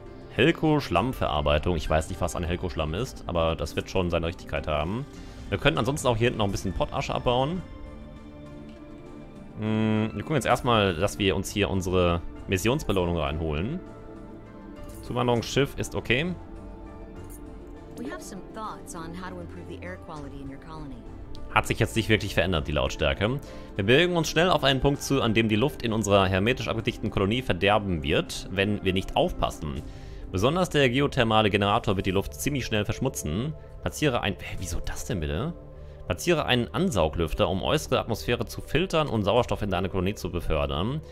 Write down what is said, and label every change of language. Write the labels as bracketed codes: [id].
[de] Helko-Schlammverarbeitung. Ich weiß nicht, was ein Helko-Schlamm ist, aber das wird schon seine Richtigkeit haben. Wir könnten ansonsten auch hier hinten noch ein bisschen Pottasche abbauen. Wir gucken jetzt erstmal, dass wir uns hier unsere Missionsbelohnung reinholen. Zuwanderungsschiff ist okay. [en] We have some thoughts on how to improve the air quality in your colony. [de] Hat sich jetzt nicht wirklich verändert, die Lautstärke. Wir bewegen uns schnell auf einen Punkt zu, an dem die Luft in unserer hermetisch abgedichten Kolonie verderben wird, wenn wir nicht aufpassen. Besonders der geothermale Generator wird die Luft ziemlich schnell verschmutzen. Platziere ein... Hä, wieso das denn bitte? Platziere einen Ansauglüfter, um äußere Atmosphäre zu filtern und Sauerstoff in deine Kolonie zu befördern.